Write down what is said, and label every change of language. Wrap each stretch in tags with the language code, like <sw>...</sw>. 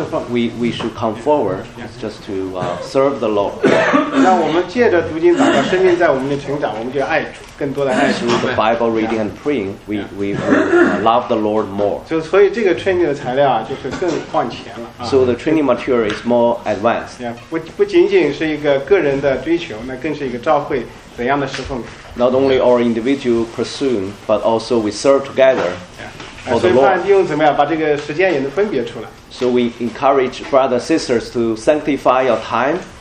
<en>We should come forward just to serve the Lord.</en> <zh>那我们借着读经祷告，生命在我们的成长，我们就爱主，更多的爱主。</zh> <en>Through the Bible reading and praying, we love the Lord more.</en> <zh>所以这个 training 的材料啊，就是更往前了。</zh> <en>So the training material is more advanced.</en> <zh>不仅仅是一个个人的追求，那更是一个教会怎样的侍奉。</zh> <en>Not only our individual pursuing, but also we serve together. For the Lord.</en> <zh>所以盼用怎么样把这个时间也能分别出来。</zh> <en>So we encourage brothers and sisters to sanctify your time.</en>